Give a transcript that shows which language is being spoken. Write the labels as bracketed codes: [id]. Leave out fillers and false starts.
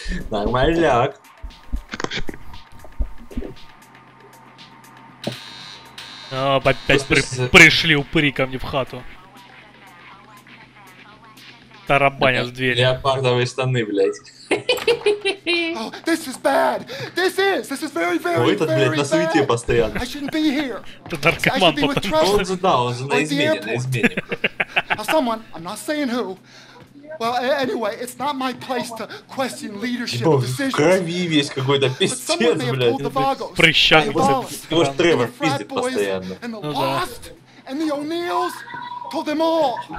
[ru] Нормальняк. Опять пришли упыри ко мне в хату. Тарабаня в дверь. Леопардовые штаны, блядь. [en] This is bad. This is very, very, very bad. [ru] Ой, блядь, на суете постоянно. [en] I shouldn't be here. [ru] Это наркоман потом. Он же, да, он же на измене, на измене. [en] Now someone, I'm not saying who. Well, anyway, it's not my place to question leadership decisions. [ru] Типа, в крови весь какой-то пиздец, блядь. Прыщак. Его ж Тревор пиздит постоянно. [en] And the Lost, and the O'Neills told them all.